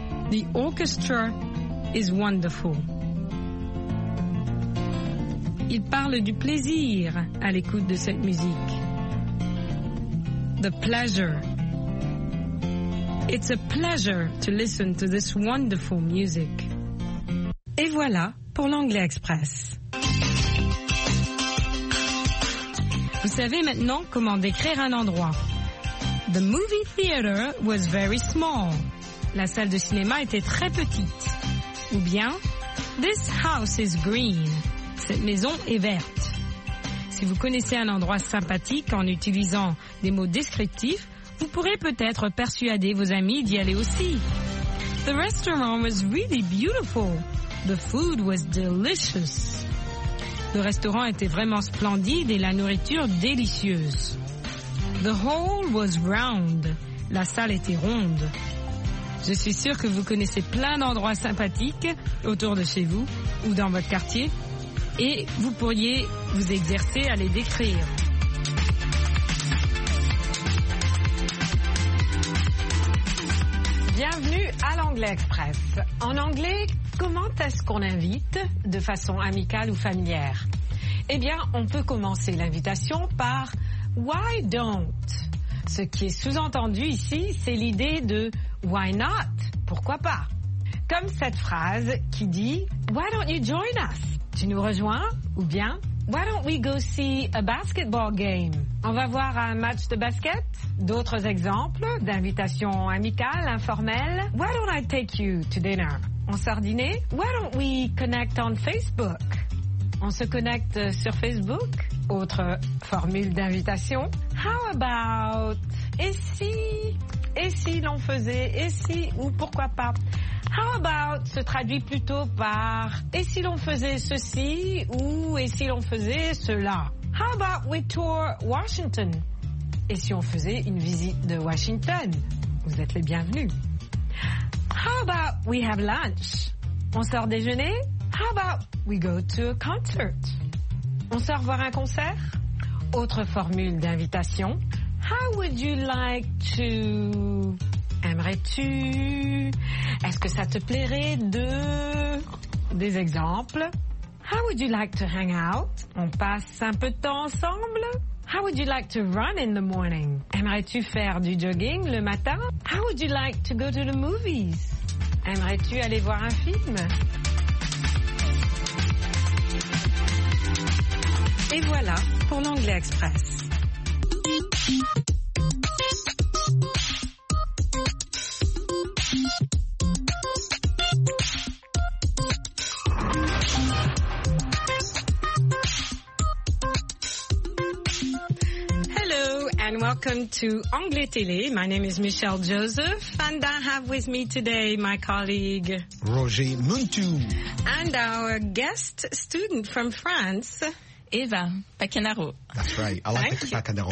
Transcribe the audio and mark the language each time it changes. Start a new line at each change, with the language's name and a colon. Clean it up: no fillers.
English: The orchestra is wonderful.
French: Il parle du plaisir à l'écoute de cette musique.
English: The pleasure. It's a pleasure to listen to this wonderful music.
French: Et voilà pour l'Anglais Express. Vous savez maintenant comment décrire un endroit.
English: The movie theater was very small.
French: La salle de cinéma était très petite. Ou bien,
English: this house is green.
French: Cette maison est verte. Si vous connaissez un endroit sympathique en utilisant des mots descriptifs, vous pourrez peut-être persuader vos amis d'y aller aussi.
English: The restaurant was really beautiful. The food was delicious.
French: Le restaurant était vraiment splendide et la nourriture délicieuse.
English: The hall was round.
French: La salle était ronde. Je suis sûre que vous connaissez plein d'endroits sympathiques autour de chez vous ou dans votre quartier et vous pourriez vous exercer à les décrire. Bienvenue à l'Anglais Express. En anglais, comment est-ce qu'on invite de façon amicale ou familière? Eh bien, on peut commencer l'invitation par «
English: why don't ?»
French: Ce qui est sous-entendu ici, c'est l'idée de «
English: why not ?»
French: Pourquoi pas? Comme cette phrase qui dit «
English: why don't you join us ?»
French: Tu nous rejoins? Ou bien
English: « why don't we go see a basketball game ?»
French: On va voir un match de basket? D'autres exemples d'invitations amicales, informelles.
English: Why don't I take you to dinner?
French: On sort dîner?
English: Why don't we connect on Facebook?
French: On se connecte sur Facebook? Autre formule d'invitation.
English: How about?
French: Et si l'on faisait? Et si ou pourquoi pas?
English: How about
French: se traduit plutôt par et si l'on faisait ceci ou et si l'on faisait cela?
English: How about we tour Washington?
French: Et si on faisait une visite de Washington? Vous êtes les bienvenus.
English: How about we have lunch?
French: On sort déjeuner?
English: How about we go to a concert?
French: On sort voir un concert? Autre formule d'invitation.
English: How would you like to?
French: Aimerais-tu? Est-ce que ça te plairait de? Des exemples.
English: How would you like to hang out?
French: On passe un peu de temps ensemble?
English: How would you like to run in the morning?
French: Aimerais-tu faire du jogging le matin?
English: How would you like to go to the movies?
French: Aimerais-tu aller voir un film? Et voilà pour l'Anglais Express.
English: Welcome to Anglais Télé. My name is Michelle Joseph, and I have with me today my colleague Roger Muntou and our guest student from France, Eva Pacanaro. That's right. I like the Pacanaro.